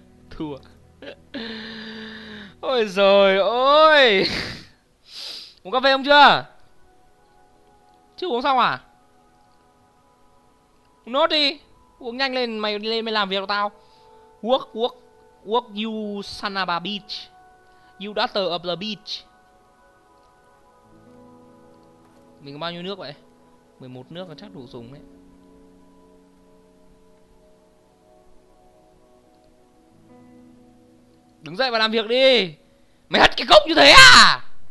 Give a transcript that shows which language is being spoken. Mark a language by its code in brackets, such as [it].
[vi] Thua. Ôi giời ơi. Uống cà phê không chưa? Chưa uống xong à? Uống nốt đi. Uống nhanh lên, mày đi lên mày làm việc của tao. [en] Work, work, work you son of a bitch. You daughter of the beach. [vi] Mình có bao nhiêu nước vậy? 11 nước là chắc đủ dùng đấy. Đứng dậy và làm việc đi. Mày hất cái cốc như thế à?